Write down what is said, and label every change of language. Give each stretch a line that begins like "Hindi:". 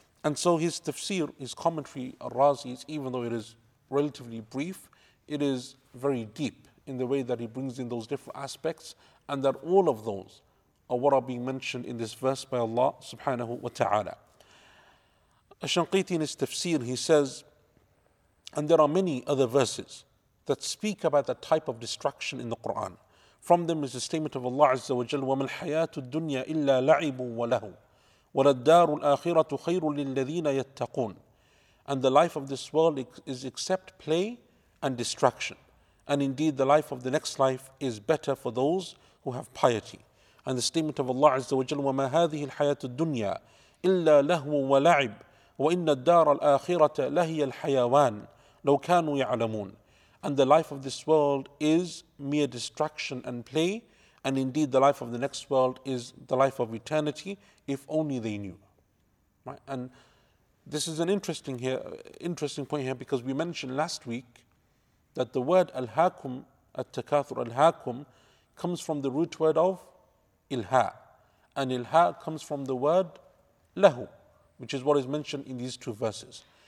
English: And so his tafsir, his commentary, Ar-Razi, even though it is relatively brief, it is very deep in the way that he brings in those different aspects, and that all of those are what are being mentioned in this verse by Allah subhanahu wa ta'ala. Ash-Shanqiti in his tafsir, he says, and there are many other verses that speak about that type of distraction in the Quran. From them is the statement of Allah Azza wa Jalla,
Arabic: وَمَا الْحَيَاةُ الدُّنْيَا إِلَّا لَعِبٌ وَلَهُ وَلَدَّارُ الْآخِرَةُ خَيْرٌ لِلَّذِينَ يَتَّقُونَ.
English: And the life of this world is except play and distraction. And indeed the life of the next life is better for those who have piety. And the statement of Allah Azza wa Jalla,
Arabic: وَمَا هَذِهِ الْحَيَاةُ الدُّنْيَا إِلَّا لَهُوٌ وَلَعِبٌ وَإِنَّ الدَّارَ الْآخِرَةَ لَهِيَ الْحَيَوَانِ لَوْ كَانُوا يَعْلَمُونَ.
English: And the life of this world is mere distraction and play, and indeed the life of the next world is the life of eternity, if only they knew. Right? And this is an interesting point here, because we mentioned last week that the word al-hakum, at-takathur al-hakum, comes from the root word of ilha, and ilha comes from the word lahu, which is what is mentioned in these two verses.